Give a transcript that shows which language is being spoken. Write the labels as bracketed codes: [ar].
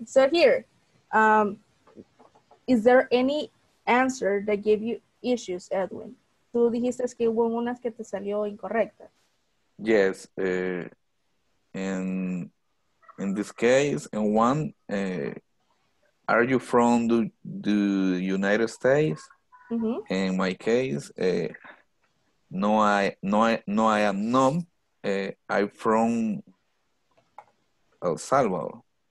[en] So here, is there any answer that gave you issues, Edwin? [es] Tú dijiste que hubo unas que te salió incorrecta. [en] Yes. In this case, in one, are you from the United States? Mm-hmm. In my case, No, I am not. I'm from El Salvador.